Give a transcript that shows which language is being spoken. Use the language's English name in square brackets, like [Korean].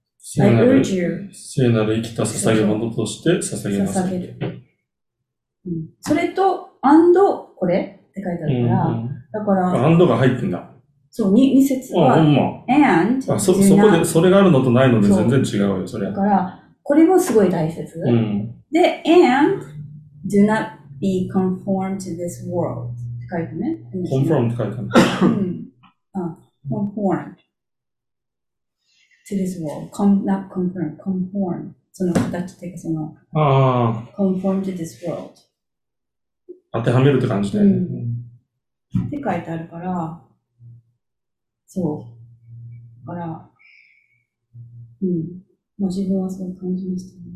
[Japanese] 聖なる生きた捧げ物として捧げます。捧げる。うん、それと、これって書いてあるから、だから、が入ってんだ。そう、二節は、そこで、それがあるのとないので全然違うよ、それ。だから、これもすごい大切。うん、 [English] で、and, do not be conformed to this world. [Japanese] って書いてね。 conformed って書いてある。 [English] conformed to this world. not conformed, conformed. [Japanese] その形っていうか、 [English] conformed to this world. [Japanese] 当てはめるって感じで。って書いてあるから、そう。だから、まあ、自分はそう感じましたね。